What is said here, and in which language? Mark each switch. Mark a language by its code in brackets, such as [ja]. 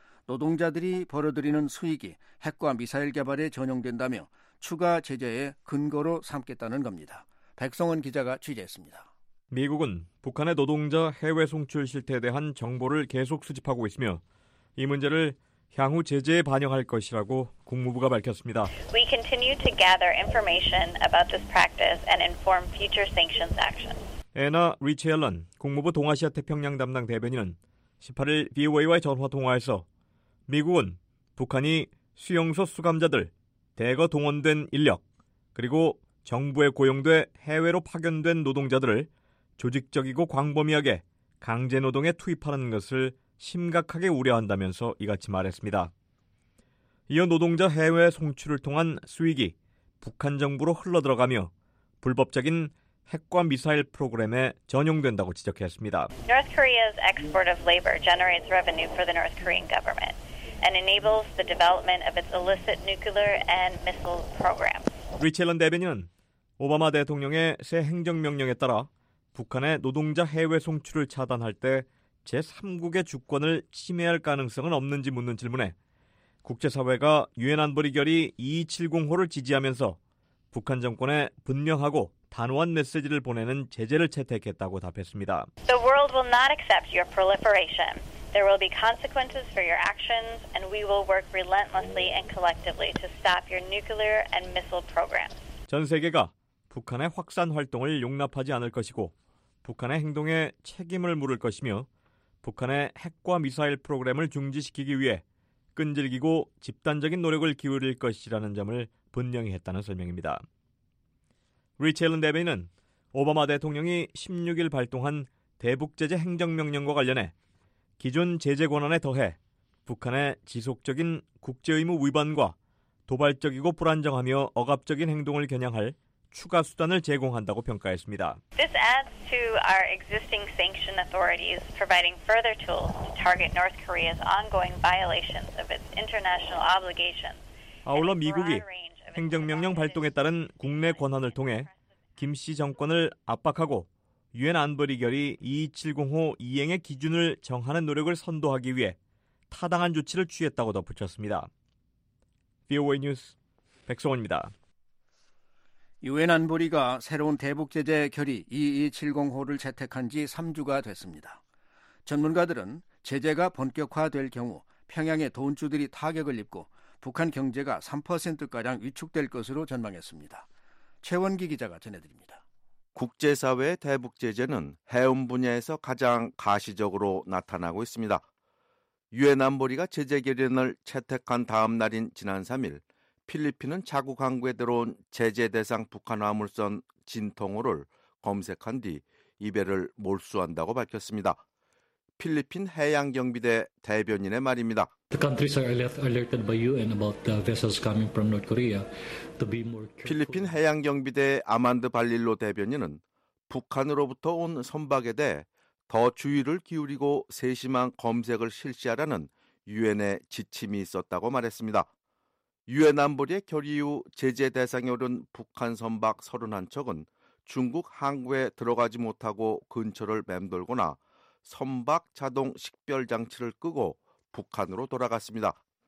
[ko] 노동자들이 벌어들이는 수익이 핵과 미사일 개발에 전용된다며 추가 제재의 근거로 삼겠다는 겁니다. 백성은 기자가 취재했습니다. 미국은 북한의 노동자 해외 송출 실태에 대한 정보를 계속 수집하고 있으며 이 문제를 향후 제재에 반영할 것이라고 국무부가 밝혔습니다. [en] We continue to gather information about this practice and inform future sanctions actions. [ko] 애나 리치 앨런 국무부 동아시아 태평양 담당 대변인은 18일 VOA와의 전화 통화에서 미국은 북한이 수용소 수감자들, 대거 동원된 인력, 그리고 정부에 고용돼 해외로 파견된 노동자들을 조직적이고 광범위하게 강제노동에 투입하는 것을 심각하게 우려한다면서 이같이 말했습니다. 이어 노동자 해외 송출을 통한 수익이 북한 정부로 흘러들어가며 불법적인 핵과 미사일 프로그램에 전용된다고 지적했습니다. [en] North Korea's export of labor generates revenue for the North Korean government and enables the development of its illicit nuclear and missile programs. [ko] 리첼런 대변인은 오바마 대통령의 새 행정명령에 따라 북한의 노동자 해외 송출을 차단할 때 제3국의 주권을 침해할 가능성은 없는지 묻는 질문에 국제사회가 유엔 안보리 결의 2270호를 지지하면서 북한 정권에 분명하고 단호한 메시지를 보내는 제재를 채택했다고 답했습니다. [en] The world will not accept your proliferation. There will be consequences for your actions, and we will work relentlessly and collectively to stop your nuclear and missile programs. [ko] 전 세계가 북한의 확산 활동을 용납하지 않을 것이고 북한의 행동에 책임을 물을 것이며 북한의 핵과 미사일 프로그램을 중지시키기 위해 끈질기고 집단적인 노력을 기울일 것이라는 점을 분명히 했다는 설명입니다. 리치 앨런 대변인은 오바마 대통령이 16일 발동한 대북제재 행정명령과 관련해 기존 제재 권한에 더해 북한의 지속적인 국제의무 위반과 도발적이고 불안정하며 억압적인 행동을 겨냥할 추가 수단을 제공한다고 평가했습니다. [en] This adds to our existing sanction authorities, providing further tools to target North Korea's ongoing violations of its international obligations. [ko] 아울러 미국이 행정명령 발동에 따른 국내 권한을 통해 김 씨 정권을 압박하고 유엔 안보리 결의 2705 이행의 기준을 정하는 노력을 선도하기 위해 타당한 조치를 취했다고 덧붙였습니다. VOA 뉴스 백성원입니다. 유엔 안보리가 새로운 대북제재 결의 2705를 채택한 지 3주가 됐습니다. 전문가들은 제재가 본격화될 경우 평양의 돈주들이 타격을 입고 북한 경제가 3%가량 위축될 것으로 전망했습니다. 최원기 기자가 전해드립니다. 국제사회의 대북제재는 해운 분야에서 가장 가시적으로 나타나고 있습니다. 유엔 안보리가 제재 결의안을 채택한 다음 날인 지난 3일 필리핀은 자국 항구에 들어온 제재 대상 북한 화물선 진통호를 검색한 뒤 이별을 몰수한다고 밝혔습니다. 필리핀 해양경비대 대변인의 말입니다. [en] The countries are alerted by UN about the vessels coming from North Korea to be more careful. [ko] 필리핀 해양경비대 아만드 발릴로 대변인은 북한으로부터 온 선박에 대해 더 주의를 기울이고 세심한 검색을 실시하라는 UN의 지침이 있었다고 말했습니다. 유엔 안보리의 결의 후 제재 대상에 오른 북한 선박 31척은 중국 항구에 들어가지 못하고 근처를 맴돌거나 선박 자동 식별 장치를 끄고 북한으로 돌아갔습니다.